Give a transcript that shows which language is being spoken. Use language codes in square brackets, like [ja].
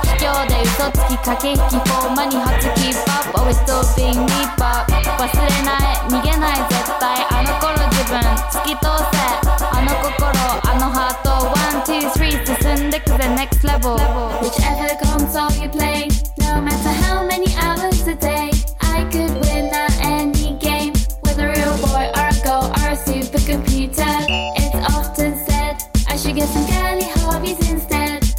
[ja] 卑怯で嘘つき駆け引き [en] For money hot to keep up But we're still being deep up。 [ja] 忘れない、逃げない、絶対あの頃自分突き通せ。あの心、あのハート [en] One, two, three [ja] 進んでくぜ [en] Next level。 Whichever console you play No matter how many hours a day I could win at any game With a real boy or a girl or a supercomputer。 It's often said I should get some girly hobbies instead。